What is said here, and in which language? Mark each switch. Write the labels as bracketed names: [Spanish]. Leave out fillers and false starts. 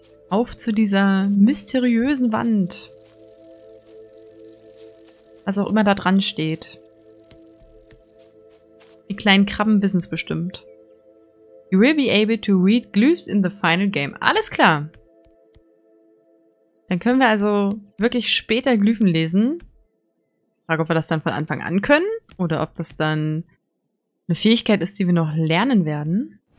[German] Auf zu dieser mysteriösen Wand. Was auch immer da dran steht. Die kleinen Krabben wissen es bestimmt. [English] You will be able to read glyphs in the final game. [German] Alles klar. Dann können wir also wirklich später Glyphen lesen. Frage, ob wir das dann von Anfang an können oder ob das dann eine Fähigkeit ist, die wir noch lernen werden.